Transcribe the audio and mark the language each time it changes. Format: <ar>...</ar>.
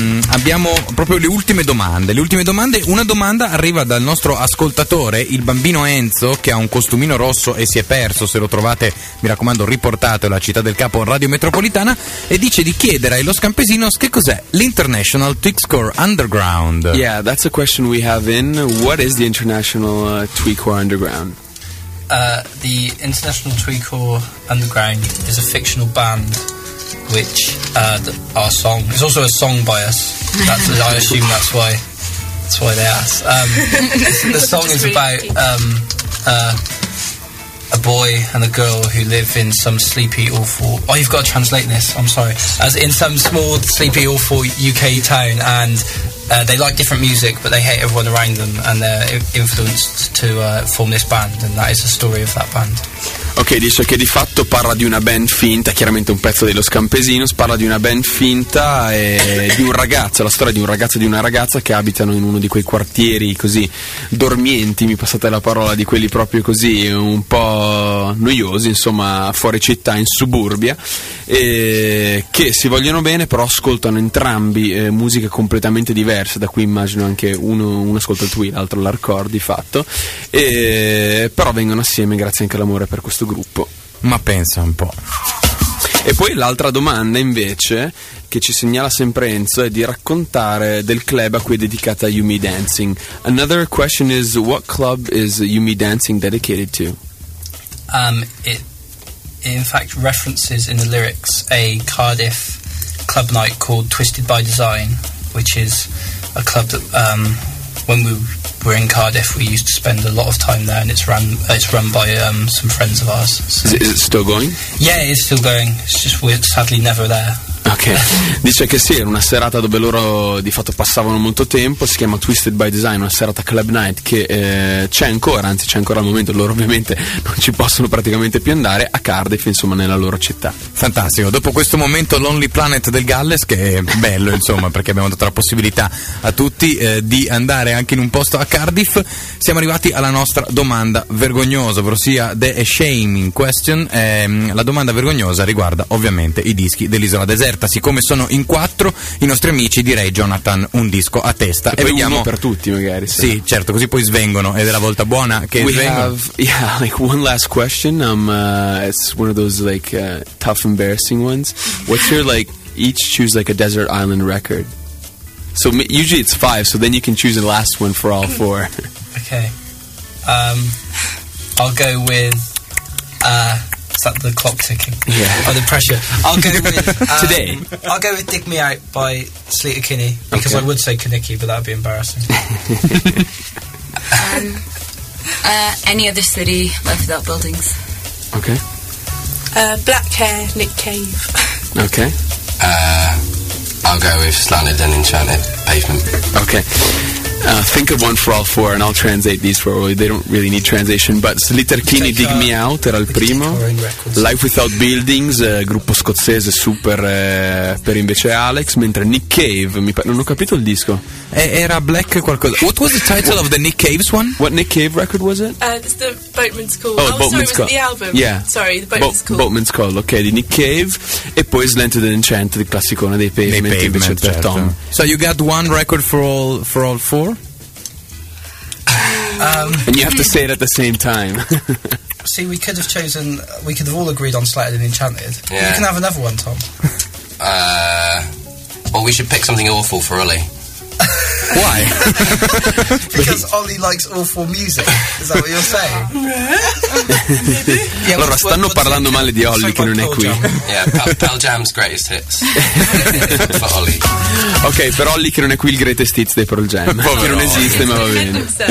<it>Abbiamo proprio le ultime domande. Una domanda arriva dal nostro ascoltatore, il bambino Enzo, che ha un costumino rosso e si è perso. Se lo trovate, mi raccomando, riportatelo a Città del Capo Radio Metropolitana, e dice di chiedere ai Los Campesinos che cos'è l'International Tweakcore Underground.</it> <en>Yeah, that's a question we have in. What is the International Tweakcore Underground? The International Tweakcore Underground is a fictional band which our song is also a song by us. I assume that's why they asked. The song is really about a boy and a girl who live in some sleepy, awful... Oh, you've got to translate this, I'm sorry. As in some small, sleepy, awful UK town, and they like different music, but they hate everyone around them, and they're influenced to form this band, and that is the story of that band.</en> <it>Ok, dice che di fatto parla di una band finta, chiaramente un pezzo dello Scampesinos, parla di una band finta e di un ragazzo, la storia di un ragazzo e di una ragazza che abitano in uno di quei quartieri così dormienti, mi passate la parola, di quelli proprio così un po' noiosi, insomma, fuori città, in suburbia, e che si vogliono bene, però ascoltano entrambi musiche completamente diverse, da qui immagino anche uno ascolta il Twi, l'altro l'Hardcore di fatto, e però vengono assieme grazie anche all'amore per questo gruppo. Ma pensa un po'. E poi l'altra domanda invece che ci segnala sempre Enzo è di raccontare del club a cui è dedicata Yumi Dancing.</it> <en>Another question is, what club is Yumi Dancing dedicated to? It in fact references in the lyrics a Cardiff club night called Twisted by Design, which is a club that when we were in Cardiff, we used to spend a lot of time there, and it's run by some friends of ours. So. Is it still going? Yeah, it is still going. It's just we're sadly never there.</en> <it>Ok, dice che sì, era una serata dove loro di fatto passavano molto tempo, si chiama Twisted by Design, una serata club night che c'è ancora al momento, loro ovviamente non ci possono praticamente più andare, a Cardiff, insomma, nella loro città. Fantastico, dopo questo momento Lonely Planet del Galles, che è bello insomma perché abbiamo dato la possibilità a tutti di andare anche in un posto a Cardiff, siamo arrivati alla nostra domanda vergognosa, ovvero sia The Shaming Question. La domanda vergognosa riguarda ovviamente i dischi dell'Isola Deserta. Siccome sono in quattro i nostri amici, direi, Jonathan, un disco a testa e poi vediamo uno per tutti magari, sì. Sì, certo, così poi svengono ed è la volta buona che</it> <en>we</en> <it>svengono.</it> <en>Have one last question. It's one of those like tough embarrassing ones. What's your each choose a desert island record? So usually it's five, so then you can choose the last one for all four. Okay. I'll go with is that the clock ticking? Yeah. Oh, the pressure. I'll go with today. I'll go with Dig Me Out by Sleater Kinney, because okay. I would say Kinnicky, but that'd be embarrassing. Any Other City, Life Without Buildings. Okay. Black Hair, Nick Cave. Okay. I'll go with Slanted and Enchanted, Pavement. Okay. Think of one for all four and I'll translate these for all. They don't really need translation, but Sleater Kinney, Dig Me Out</en> <it>era il primo. Life Without Buildings, gruppo scozzese super, per invece Alex, mentre Nick Cave, non ho capito il disco. Era Black qualcosa.</it> <en>What was the title of the Nick Cave's one? What Nick Cave record was it? It's the Boatman's Call. Oh, Boatman's Call. The album. Yeah. Sorry, the Boatman's Call.</en> <it>Boatman's Call, ok, di Nick Cave. E poi Slanted and Enchanted, il classicone dei Pavement, invece certo. Per Tom.</it> <en>So you got one record for all four? And you have to say it at the same time. See, we could have chosen, we could have all agreed on Slanted and Enchanted. Yeah. You can have another one, Tom. Well, we should pick something awful for Ollie. Why? Because Ollie likes awful music. Is that what you're saying?</en> <it>Yeah, allora, stanno parlando male di Ollie, che non è qui.</it> <en>Yeah, Pearl Jam's greatest hits. For Ollie.</en> <it>Ok, per Ollie, che non è qui, il greatest hits dei Pearl Jam. No, che non esiste, ma va bene.</it>